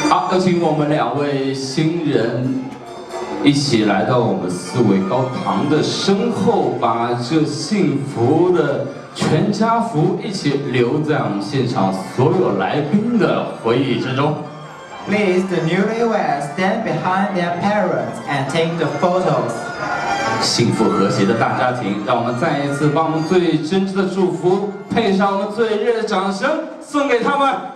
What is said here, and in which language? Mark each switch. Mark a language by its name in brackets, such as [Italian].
[Chinese] 邀请我们两位新人一起来到我们四位高堂的身后，把这幸福的全家福一起留在我们现场所有来宾的回忆之中。 [English] Please the newlyweds stand behind their parents and take the photos. [Chinese] 幸福和谐的大家庭，让我们再一次把我们最真挚的祝福配上我们最热烈的掌声送给他们。